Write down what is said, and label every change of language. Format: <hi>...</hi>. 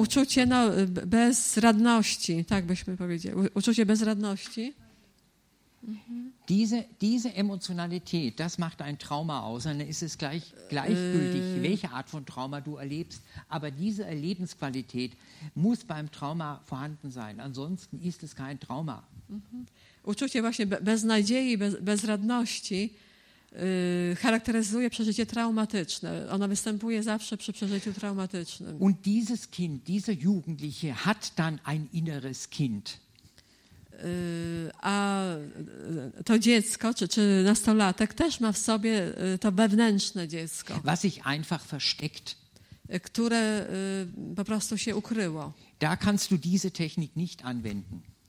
<pl>Uczucie no, bezradności, tak byśmy powiedzieli. Uczucie bezradności.</pl> <de>Diese Emotionalität, das macht ein Trauma aus. Dann ist es gleichgültig, welche Art von Trauma du erlebst. Aber diese Erlebensqualität muss beim Trauma vorhanden sein. Ansonsten ist es kein Trauma.</de> <pl>Uczucie właśnie beznadziei, bezradności charakteryzuje przeżycie traumatyczne. Ono występuje zawsze przy przeżyciu traumatycznym.</pl> <de>Und dieses Kind, diese Jugendliche hat dann ein inneres Kind.</de> <pl>A to dziecko, czy nastolatek też ma w sobie to wewnętrzne dziecko.</pl> <de>Was sich einfach versteckt.</de> <pl>Które po prostu się ukryło.</pl> <de>Da kannst du diese Technik nicht anwenden.</de>